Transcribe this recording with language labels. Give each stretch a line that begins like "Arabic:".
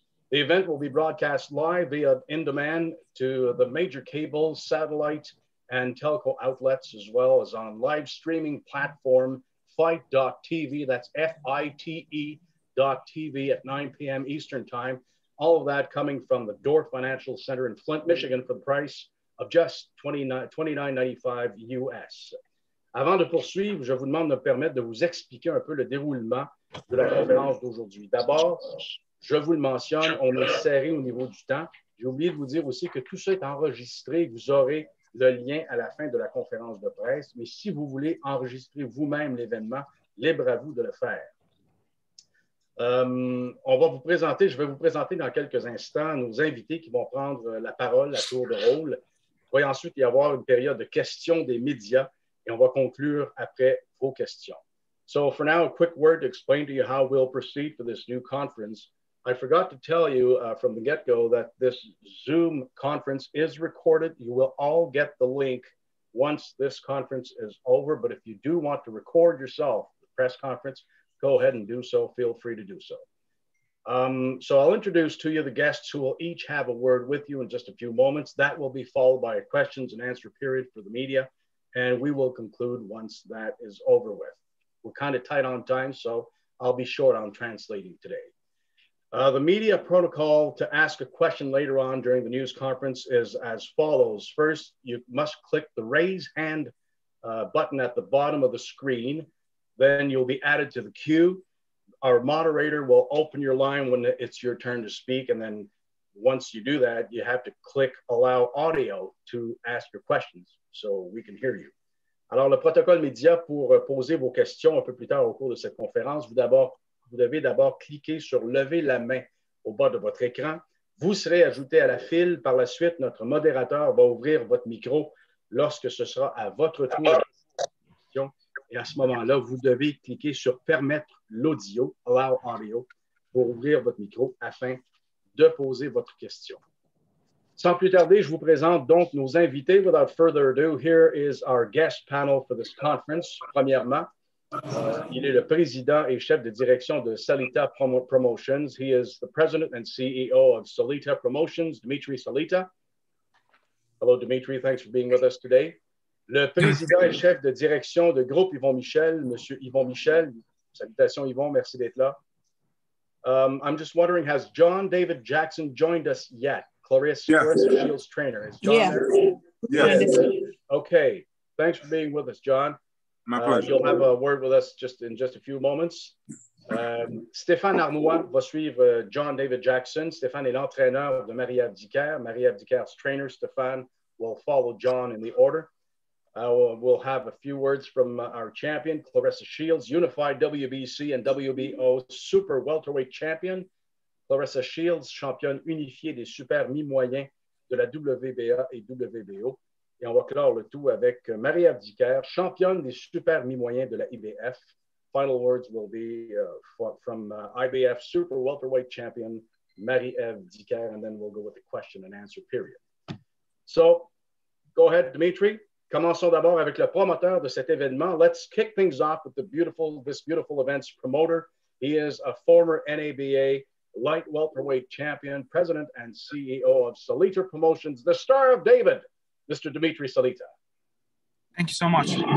English: The event will be broadcast live via InDemand to the major cable, satellite, and telco outlets, as well as on live streaming platform fight.tv, that's FITE.tv at 9 p.m. Eastern time. All of that coming from the Dort Financial Center in Flint, Michigan, for the price of just $29.95 US.
French: Avant de poursuivre, je vous demande de me permettre de vous expliquer un peu le déroulement de la conférence d'aujourd'hui. D'abord, je vous le mentionne, on est serré au niveau du temps. J'ai oublié de vous dire aussi que tout ça est enregistré. Vous aurez le lien à la fin de la conférence de presse. Mais si vous voulez enregistrer vous-même l'événement, libre à vous de le faire. Je vais vous présenter dans quelques instants nos invités qui vont prendre la parole à tour de rôle. Il va ensuite y avoir une période de questions des médias. Et on va conclure après vos questions.
English: So for now, a quick word to explain to you how we'll proceed for this new conference. I forgot to tell you from the get-go that this Zoom conference is recorded. You will all get the link once this conference is over. But if you do want to record yourself the press conference, go ahead and do so. Feel free to do so. So I'll introduce to you the guests who will each have a word with you in just a few moments. That will be followed by a questions and answer period for the media. And we will conclude once that is over with. We're kind of tight on time, so I'll be short on translating today. The media protocol to ask a question later on during the news conference is as follows. First, you must click the raise hand button at the bottom of the screen. Then you'll be added to the queue. Our moderator will open your line when it's your turn to speak. And then once you do that, you have to click allow audio to ask your questions, so we can hear you.
French: Alors, le protocole média pour poser vos questions un peu plus tard au cours de cette conférence, vous devez d'abord cliquer sur « Lever la main » au bas de votre écran. Vous serez ajouté à la file. Par la suite, notre modérateur va ouvrir votre micro lorsque ce sera à votre tour. Et à ce moment-là, vous devez cliquer sur « Permettre l'audio » « Allow audio » pour ouvrir votre micro afin de poser votre question. Sans plus tarder, je vous présente donc nos invités.
English: Without further ado, here is our guest panel for this conference.
French: Premièrement, il est le président et chef de direction de Salita Promotions.
English: He is the president and CEO of Salita Promotions, Dimitri Salita. Hello, Dimitri. Thanks for being with us today.
French: Le président et chef de direction de groupe Yvon Michel, Monsieur Yvon Michel. Salutations, Yvon. Merci d'être là.
English: I'm just wondering, has John David Jackson joined us yet? Claressa Shields trainer. Is John there? Yes. Okay. Thanks for being with us, John. My pleasure. You'll have a word with us in just a few moments. Stéphane Arnois
French: va suivre
English: John David Jackson.
French: Stéphane est l'entraîneur de Marie-Ève Dicaire.
English: Marie-Ève Dicaire's trainer, Stéphane, will follow John in the order. We'll have a few words from our champion, Claressa Shields, unified WBC and WBO super welterweight champion.
French: Claressa Shields, championne unifiée des super mi-moyens de la WBA et WBO. Et on va clore le tout avec Marie-Ève Dicaire, championne des super mi-moyens de la IBF.
English: Final words will be from IBF super welterweight champion, Marie-Ève Dicaire, and then we'll go with the question and answer period. So, go ahead, Dimitri.
French: Commençons d'abord avec le promoteur de cet événement.
English: Let's kick things off with this beautiful event's promoter. He is a former NABA light welterweight champion, president and CEO of Salita Promotions, the star of David, Mr. Dimitri Salita. Thank you so much.